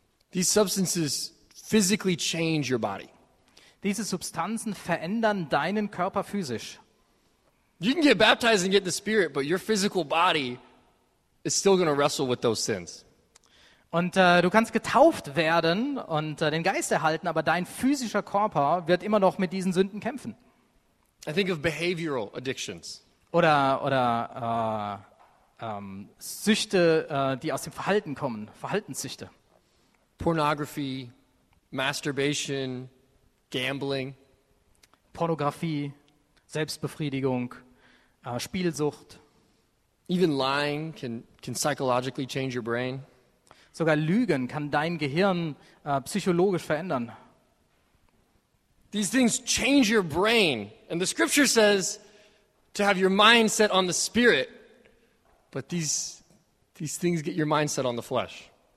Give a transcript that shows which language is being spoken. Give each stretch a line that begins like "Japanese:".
English: These substances physically change your body.
German: Diese Substanzen verändern deinen Körper physisch.
English: You can get baptized and get the Spirit, but your physical body is still going to wrestle with those sins.
German: Und du kannst getauft werden und den Geist erhalten, aber dein physischer Körper wird immer noch mit diesen Sünden kämpfen.
English: I think of behavioral addictions.
German: Oder Süchte, die aus dem Verhalten kommen, Verhaltenssüchte.
English: Pornography, Masturbation, Gambling.
German: Pornografie, Selbstbefriedigung. Spielsucht.
English: Even lying can psychologically change your brain.
German: Sogar Lügen kann dein Gehirn psychologisch verändern.
English: These things change your brain. And the scripture says to have your mind set on the Spirit. But these things get your mind set on the flesh.